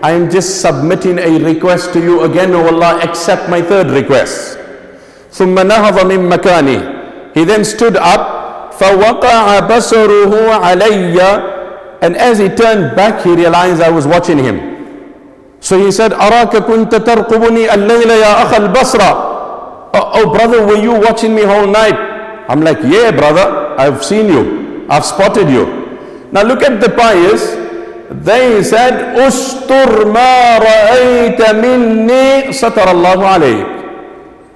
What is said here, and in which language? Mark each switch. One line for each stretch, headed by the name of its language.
English: I am just submitting a request to you again, O Allah, accept my third request.
Arabic: ثُمَّ نَهَضَ مِن مَكَانِهِ.
English: He then stood up.
Arabic: فَوَقَعَ بَصَرُهُ عَلَيَّ.
English: And as he turned back, he realized I was watching him. So he said,
Arabic: أَرَاكَ كُنْتَ تَرْقُبُنِي أَلَّيْلَ يَا أَخَ الْبَصْرَ.
English: Oh brother, were you watching me whole night? I'm like, yeah brother, I've seen you. I've spotted you. Now look at the pious. They said,
Arabic: "Ustur ma ra'ayta minni satarallahu alayk."